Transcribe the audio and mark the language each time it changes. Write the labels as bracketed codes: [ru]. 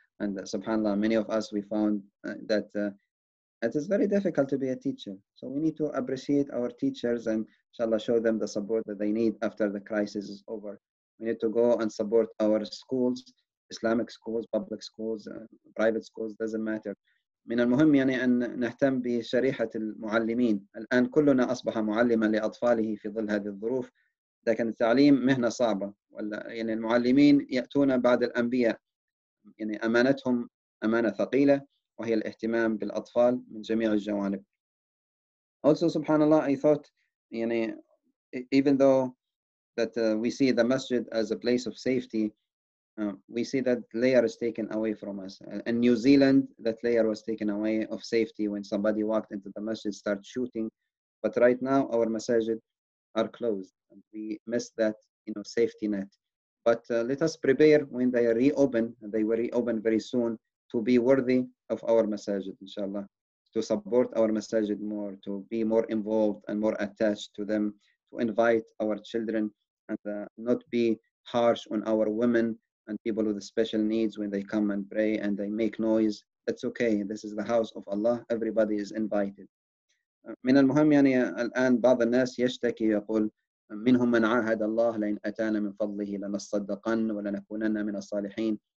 [en] And subhanAllah, many of us, we found that it is very difficult to be a teacher. So we need to appreciate our teachers and inshallah show them the support that they need after the crisis is over. We need to go and support our schools, Islamic schools, public schools, private schools, doesn't matter. [ar] من المهم يعني أن نهتم بشريحة المعلمين. الآن كلنا أصبح معلما لأطفاله في ظل هذه الظروف. لكن التعليم مهنة صعبة. يعني المعلمين يأتون بعد الأنبياء. يعني أمانتهم أمانة ثقيلة. وهي الاهتمام بالأطفال من جميع الجوانب. [en] Also, subhanAllah, I thought, you know, even though that we see the masjid as a place of safety, we see that layer is taken away from us. In New Zealand, that layer was taken away of safety when somebody walked into the masjid, start shooting. But right now, our masajid are closed. And we miss that, you know, safety net. But let us prepare when they are reopened, and they will reopen very soon, to be worthy of our masajid, inshallah, to support our masajid more, to be more involved and more attached to them, to invite our children and not be harsh on our women and people with special needs when they come and pray and they make noise. That's okay. This is the house of Allah. Everybody is invited. [ar] من المهم يعني الآن بعض الناس يشتكي يقول منهم من عاهد الله لئن أتانا من فضله لنصدقن ولنكونن من الصالحين.